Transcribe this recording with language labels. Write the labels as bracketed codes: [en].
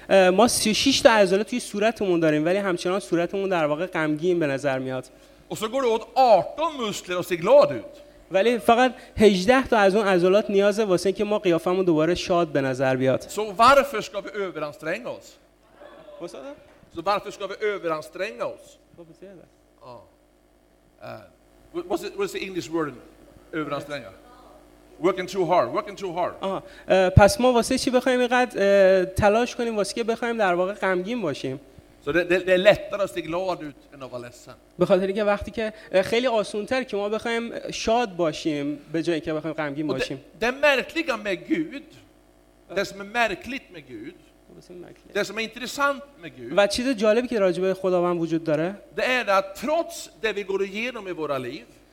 [fa] ما 36 تا عضله توی صورتمون داریم ولی همچنان صورتمون در واقع غمگین به نظر میاد. [sv] Och så går det åt 18 muskler och ser glad ut. [fa] Väl, فقط 18 تا از اون عضلات نیازه واسه اینکه ما قیافمون دوباره شاد به نظر بیاد. [sv] Så varför ska vi överanstränga oss? Vad sa du? Så varför ska vi överanstränga oss? Vad betyder det? [en] What's the English word överanstränga? Working too hard, working too hard. [fa] پس ما واسه چی بخوایم اینقدر تلاش کنیم واسه که بخوایم در واقع غمگین باشیم؟ [sv] Så det är lättare att se glad ut än att vara ledsen. [fa] بخاطر اینکه وقتی که خیلی آسان‌تر که ما بخوایم شاد باشیم به جای اینکه بخوایم غمگین باشیم. [sv] Det märkliga med Gud. Det som är märkligt med Gud. Det som är intressant med Gud. [fa] و چیز جالبی که راجع به خداوند وجود داره. [sv] Det är att trots det vi går igenom i våra liv.